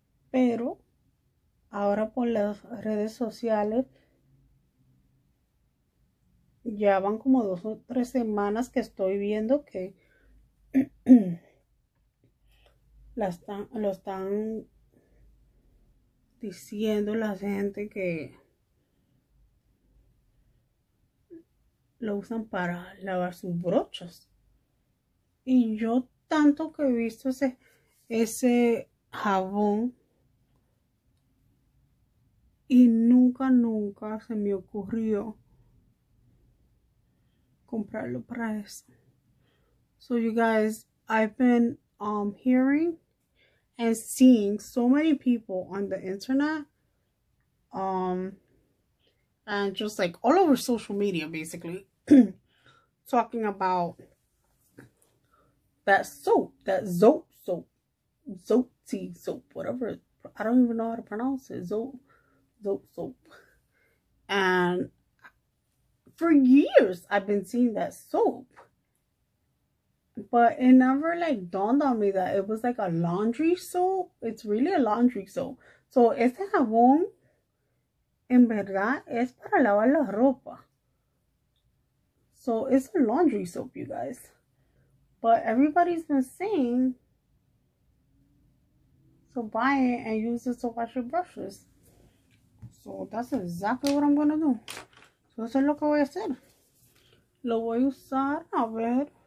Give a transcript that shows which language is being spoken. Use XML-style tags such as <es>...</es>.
<es>Pero ahora por las redes sociales ya van como dos o tres semanas que estoy viendo que lo están diciendo la gente que lo usan para lavar sus brochas. Y yo tanto que he visto ese jabón y nunca, nunca se me ocurrió comprarlo para eso.</es> <en>So you guys, I've been hearing and seeing so many people on the internet, and just like all over social media basically talking about that soap, that Zote soap, whatever, I don't even know how to pronounce it. Zote soap. And for years I've been seeing that soap, but it never like dawned on me that it was like a laundry soap. It's really a laundry soap.</en> <es>So este jabón en verdad es para lavar la ropa.</es> <en>So it's a laundry soap, you guys. But everybody's been saying, so buy it and use it to wash your brushes. So that's exactly what I'm gonna do.</en> <es>So eso es lo que voy a hacer. Lo voy a usar, a ver.</es>